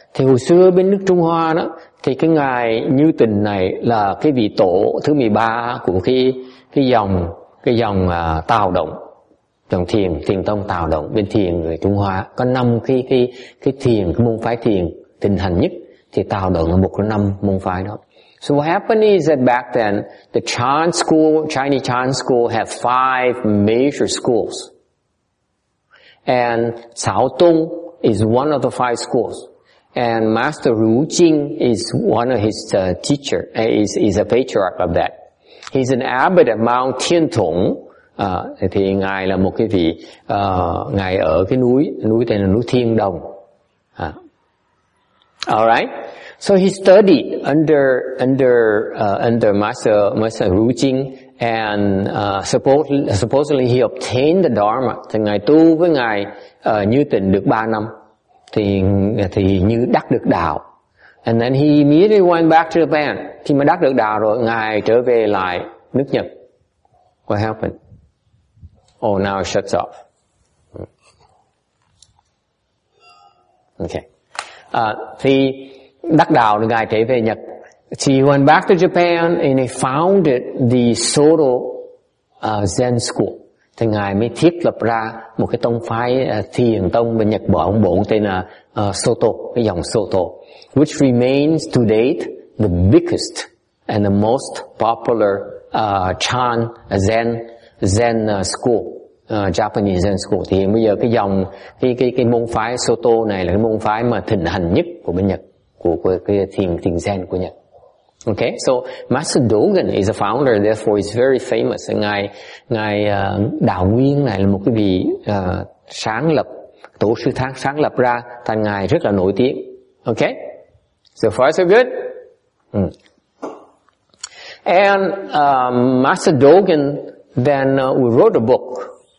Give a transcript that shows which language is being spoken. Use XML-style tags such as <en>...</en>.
<vi>Thì hồi xưa bên nước Trung Hoa đó, thì cái ngài Như Tịnh này là cái vị tổ thứ 13 của cái dòng Tào Động, dòng thiền tông Tào Động bên thiền người Trung Hoa. Có năm cái thiền, cái môn phái thiền tinh thành nhất, thì Tào Động là một trong năm môn phái đó.</vi> <en>So what happened is that back then the Chan school, Chinese Chan school, had 5 major schools, and Sáo Tông is one of the 5 schools, and Master Ru Jing is one of his teacher, is a patriarch of that. He's an abbot at Mount Tien Tung.</en> <vi>Thì ngài là một cái vị ngài ở cái núi tên là núi Thiên Đồng.</vi> <en>All right. So he studied under Master Ru Jing, and supposedly he obtained the Dharma.</en> <vi>Thì ngài tu với ngài Như Tịnh được 3 năm thì như đắc được đạo.</vi> <en>And then he immediately went back to Japan.</en> <vi>Khi mà đắc được đạo rồi, ngài trở về lại nước Nhật.</vi> <en>What happened? Oh, now it shuts off. Okay.</en> <vi>Thì đắc đạo thì ngài trở về Nhật.</vi> <en>He went back to Japan and he founded the Soto Zen School.</en> <vi>Thì ngài mới thiết lập ra một cái tông phái thiền tông bên Nhật Bản, ông bổn tên là Soto, cái dòng Soto,</vi> <en>which remains to date the biggest and the most popular Chan Zen school. Japanese Zen school.</en> <vi>Thì bây giờ cái dòng cái môn phái Soto này là cái môn phái mà thịnh hành nhất của bên Nhật, của cái thiền Zen của Nhật.</vi> <en>Okay, so Master Dogen is a founder, therefore is very famous.</en> <vi>Ngài Đạo Nguyên này là một cái vị sáng lập, tổ sư thác sáng lập ra, thành ngài rất là nổi tiếng.</vi> <en>Okay, so far so good. And Master Dogen then we wrote a book.</en>